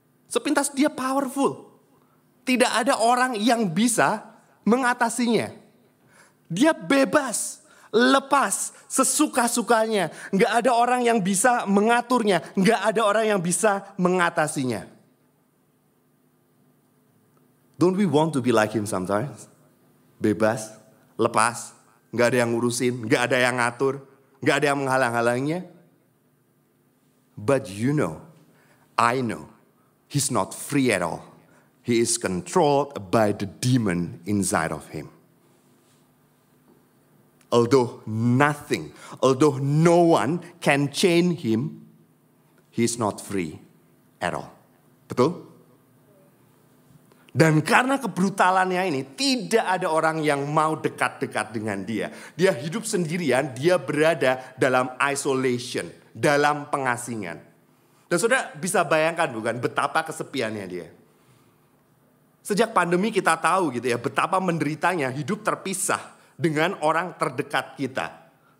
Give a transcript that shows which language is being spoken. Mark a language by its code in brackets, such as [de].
[id] Sepintas dia powerful. Tidak ada orang yang bisa mengatasinya. Dia bebas, lepas, sesuka-sukanya. Gak ada orang yang bisa mengaturnya. Gak ada orang yang bisa mengatasinya. [en] Don't we want to be like him sometimes? [id] Bebas, lepas, gak ada yang ngurusin, gak ada yang ngatur, gak ada yang menghalang-halangnya. [en] But you know, I know, he's not free at all. He is controlled by the demon inside of him. Although nothing, although no one can chain him, he is not free at all. [id] Betul? Dan karena kebrutalannya ini, tidak ada orang yang mau dekat-dekat dengan dia. Dia hidup sendirian, dia berada dalam isolation, dalam pengasingan. Dan saudara bisa bayangkan bukan betapa kesepiannya dia. Sejak pandemi kita tahu gitu ya, betapa menderitanya hidup terpisah dengan orang terdekat kita.